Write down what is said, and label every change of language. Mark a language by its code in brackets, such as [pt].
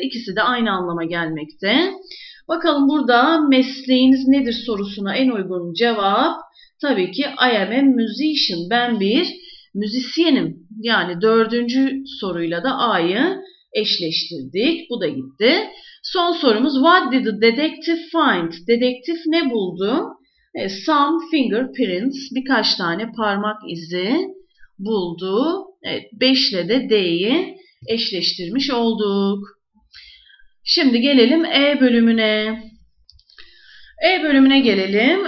[tr] İkisi de aynı anlama gelmekte. Bakalım burada mesleğiniz nedir sorusuna en uygun cevap tabii ki [en] I am a musician. [tr] Ben bir müzisyenim. Yani dördüncü soruyla da A'yı eşleştirdik. Bu da gitti. Son sorumuz [en] What did the detective find? [tr] Dedektif ne buldu? Some fingerprints, birkaç tane parmak izi buldu. Evet, 5 ile de D'yi eşleştirmiş olduk. Şimdi gelelim E bölümüne. E bölümüne gelelim.